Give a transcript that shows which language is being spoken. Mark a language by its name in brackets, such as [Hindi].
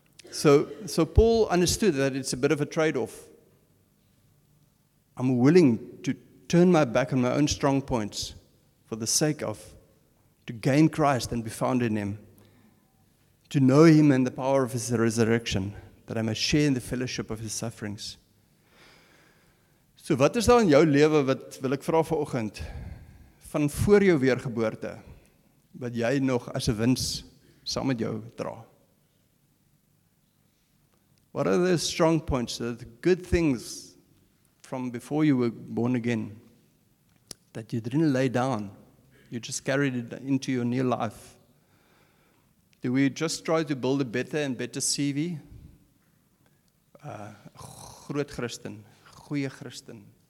[English] So Paul understood that it's a bit of a trade-off. I'm willing to turn my back on my own strong points for the sake of to gain Christ and be found in him, to know him and the power of his resurrection, that I may share in the fellowship of his sufferings. [Afrikaans] So wat is daar in jou lewe wat wil ek vra vanoggend? Van voor jou weergeboorte, wat jy nog as 'n wins saam met jou dra. [English] What are the strong points, the good things from before you were born again, that you didn't lay down, you just carried it into your new life? Do we just try to build a better and better CV? [Afrikaans] Groot Christen, goeie Christen.